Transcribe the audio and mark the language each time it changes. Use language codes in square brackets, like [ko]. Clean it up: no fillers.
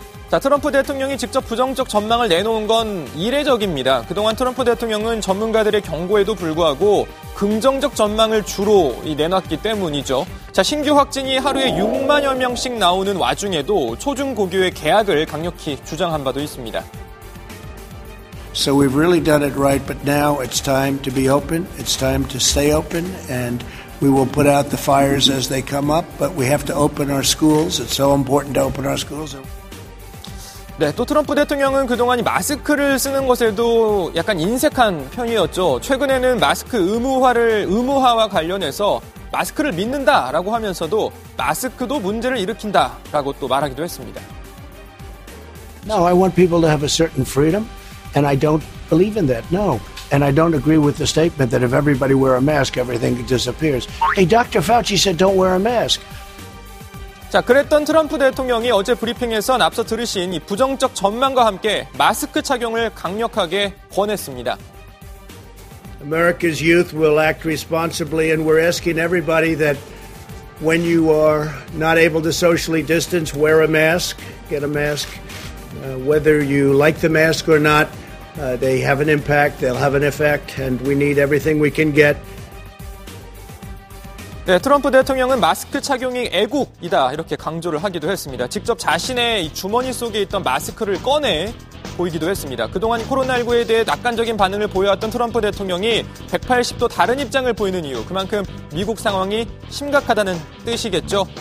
[ko] 자, 트럼프 대통령이 직접 부정적 전망을 내놓은 건 이례적입니다. 그동안 트럼프 대통령은 전문가들의 경고에도 불구하고 긍정적 전망을 주로 내놨기 때문이죠. 자, 신규 확진이 하루에 6만여 명씩 나오는 와중에도 초중고교의 개학을 강력히 주장한 바도 있습니다. [en] So we've really done it right, but now it's time to be open. It's time to stay open, and we will put out the fires as they come up, but we have to open our schools. It's so important to open our schools. [ko] 네, 또 트럼프 대통령은 그동안 마스크를 쓰는 것에도 약간 인색한 편이었죠. 최근에는 마스크 의무화와 관련해서 마스크를 믿는다라고 하면서도 마스크도 문제를 일으킨다라고 또 말하기도 했습니다. [en] No, I want people to have a certain freedom, and I don't believe in that. No, and I don't agree with the statement that if everybody wear a mask, everything disappears. Hey, Dr. Fauci said don't wear a mask. [ko] 자, 그랬던 트럼프 대통령이 어제 브리핑에선 앞서 들으신 이 부정적 전망과 함께 마스크 착용을 강력하게 권했습니다. [en] America's youth will act responsibly and we're asking everybody that when you are not able to socially distance, wear a mask, get a mask. Whether you like the mask or not, they have an impact, they'll have an effect and we need everything we can get. [ko] 네, 트럼프 대통령은 마스크 착용이 애국이다 이렇게 강조를 하기도 했습니다. 직접 자신의 주머니 속에 있던 마스크를 꺼내 보이기도 했습니다. 그동안 코로나19에 대해 낙관적인 반응을 보여왔던 트럼프 대통령이 180도 다른 입장을 보이는 이유, 그만큼 미국 상황이 심각하다는 뜻이겠죠.